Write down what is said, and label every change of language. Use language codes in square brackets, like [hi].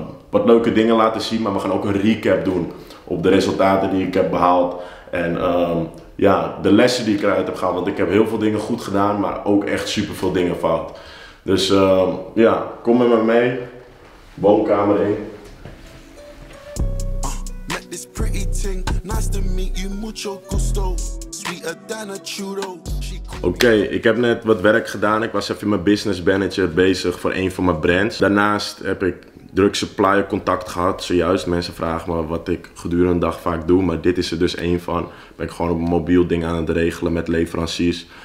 [nl] Wat leuke dingen laten zien, maar we gaan ook een recap doen op de resultaten die ik heb behaald. En de lessen die ik eruit heb gehaald, want ik heb heel veel dingen goed gedaan, maar ook echt super veel dingen fout. Dus kom met me mee, woonkamer in. [en] Met this pretty thing, nice to meet you, [es] mucho gusto, [en] sweeter than a churro. [nl] Oké, ik heb net wat werk gedaan. Ik was even mijn business manager bezig voor een van mijn brands. Daarnaast heb ik druk supplier contact gehad. Zojuist, mensen vragen me wat ik gedurende de dag vaak doe. Maar dit is er dus een van. Ben ik gewoon op een mobiel ding aan het regelen met leveranciers.